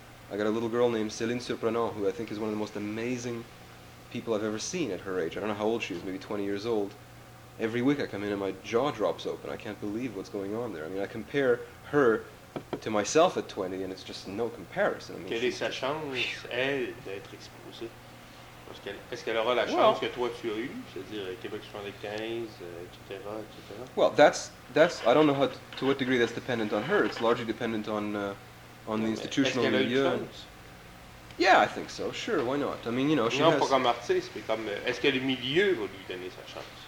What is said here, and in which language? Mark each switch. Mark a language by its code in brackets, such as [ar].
[en] I got a little girl named Céline Surprenant, who I think is one of the most amazing people I've ever seen at her age. I don't know how old she is, maybe 20 years old. Every week I come in and my jaw drops open. I can't believe what's going on there. I mean, I compare her to myself at 20, and it's just no comparison. [fr] Quelle est sa chance, elle, d'être exposée? Est-ce qu'elle aura la chance que toi tu as eue, c'est-à-dire Québec 75, etc. [en] Well, that's I don't know how to what degree that's dependent on her. It's largely dependent on the institutional milieu. [fr] Est-ce qu'elle a une chance? [en] Yeah, I think so. Sure, why not? I mean, you know, she [fr] has. Non, pas comme artiste, mais comme est-ce que le milieu va lui donner sa chance?